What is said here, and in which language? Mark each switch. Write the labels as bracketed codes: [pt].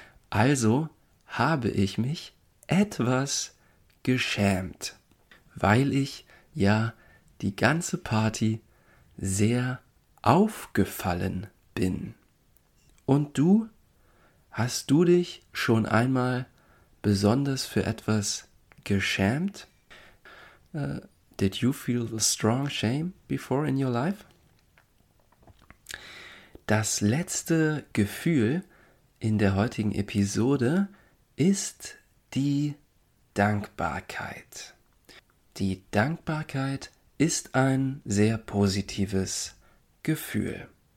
[de] Also habe ich mich etwas geschämt, weil ich ja die ganze Party sehr aufgefallen bin. Und du? Hast du dich schon einmal besonders für etwas geschämt? [en] Did you feel a strong shame before in your life? [de] Das letzte Gefühl in der heutigen Episode ist die Dankbarkeit. Die Dankbarkeit ist ein sehr positives Gefühl.